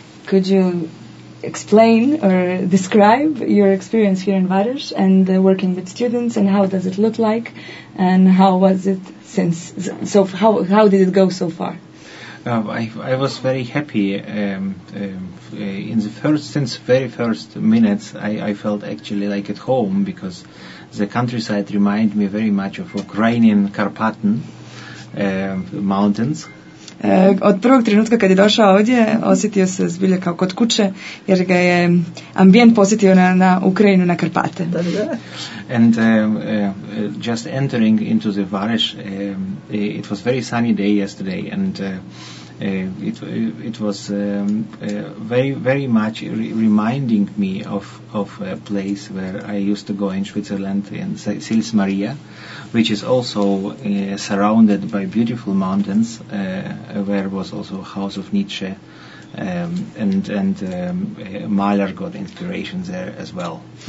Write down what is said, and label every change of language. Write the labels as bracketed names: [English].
[English] Could you explain or describe your experience here in Vareš and working with students and how does it look like and how was it since so how did it go so far? I was very happy since the very first minutes I felt actually like at home because the countryside reminded me very much of Ukrainian Carpathian mountains. [Bosnian] Od prvog trenutka kad je došao ovdje osjetio se zbilje kao kod kuće jer ga je ambijent posjetio na Ukrajinu, na Karpate. [English] And just entering into the Vareš, it was very sunny day yesterday and it was very much reminding me of a place where I used to go in Switzerland, in Sils Maria, which is also surrounded by beautiful mountains, where was also house of Nietzsche, and Mahler got inspiration there as well.